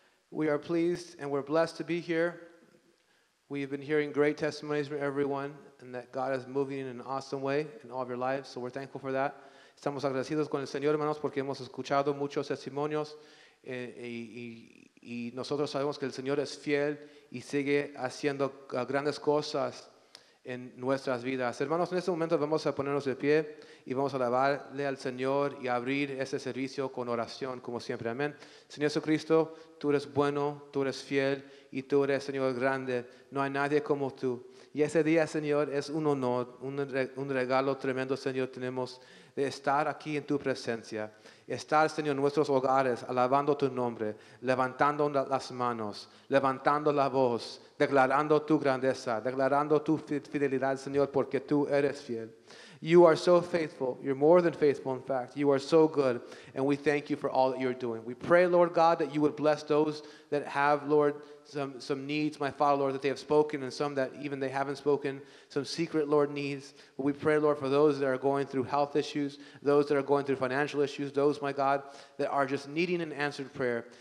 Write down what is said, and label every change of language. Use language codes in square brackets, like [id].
[en] We are pleased and we're blessed to be here. We've been hearing great testimonies from everyone and that God is moving in an awesome way in all of your lives, so we're thankful for that. [es] Estamos agradecidos con el Señor, hermanos, porque hemos escuchado muchos testimonios y nosotros sabemos que el Señor es fiel y sigue haciendo grandes cosas en nuestras vidas. Hermanos, en este momento vamos a ponernos de pie y vamos a alabarle al Señor y abrir este servicio con oración, como siempre. Amén. Señor Jesucristo, tú eres bueno, tú eres fiel y tú eres, Señor, grande. No hay nadie como tú. Y ese día, Señor, es un honor, un regalo tremendo, Señor, tenemos de estar aquí en tu presencia. Estar, Señor, en nuestros hogares, alabando tu nombre, levantando las manos, levantando la voz, declarando tu grandeza, declarando tu fidelidad, Señor, porque tú eres fiel. [en] You are so faithful. You're more than faithful, in fact. You are so good, and we thank you for all that you're doing. We pray, Lord God, that you would bless those that have, Lord, some needs, my Father, Lord, that they have spoken, and some that even they haven't spoken, some secret, Lord, needs. But we pray, Lord, for those that are going through health issues, those that are going through financial issues, those, my God, that are just needing an answered prayer.